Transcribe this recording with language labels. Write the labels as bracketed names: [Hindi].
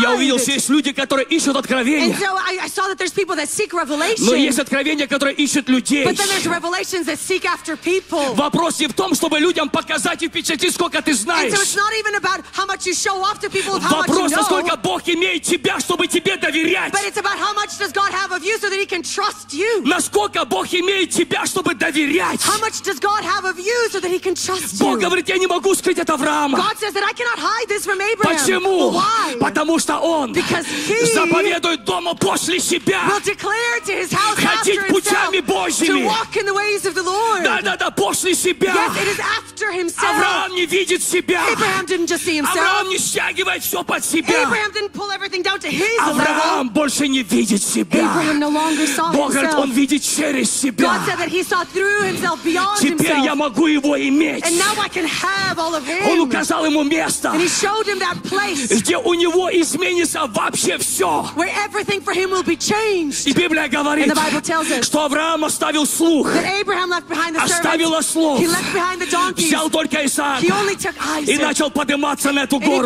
[Russian] Я увидел, что есть люди, которые ищут откровения. [English] So [Russian] Но есть откровения, которые ищут людей. Вопрос не в том, чтобы людям показать и впечатлить, сколько ты знаешь. [English] So [Russian] вопрос, [English] you know. [Russian] Насколько Бог имеет тебя, чтобы тебе доверять. [English] But it's about how much does God have of you so that he can trust you. [Russian] Насколько Бог имеет тебя, чтобы доверять. [English] How much does God have of you so that he can trust you. [Russian] Бог говорит, я не могу скрыть от Авраама. [English] God says that I cannot hide this from Abraham. [Russian] Почему? [English] Why? [Russian] Потому что он заповедует дома после себя. [English] Will declare to his house after himself. [Russian] Ходить путями Божьими. [English] To walk in the ways of the Lord. [Russian] Да, после себя. [English] Yes, it is after himself. [Russian] Авраам не видит себя. [English] Abraham didn't just see himself. [Russian] Авраам не стягивает все под себя. [English] Abraham didn't pull everything down to his [Russian] Авраам [English] level. [Russian] Больше не видит себя. [English] Abraham no longer saw [Russian] Бог [English] himself. [Russian] Говорит, он видит через себя. [English] God said that he saw through himself, beyond [Russian] Теперь Теперь я могу его иметь. [English] And now I can have all of him. [Russian] Он указал ему место. [English] And he showed him that place. [Russian] Где у него изменится вообще все. [English] Where everything for him will be changed. [Russian] И Библия говорит, [English] And the Bible tells us, [Russian] что Авраам оставил слух. [English] That Abraham left behind the servants. [Russian] Оставил ослов. [English] He left behind the donkeys. [Russian] Взял только Исаака. [English] He only took Isaac. [Russian] И начал подниматься на эту гору.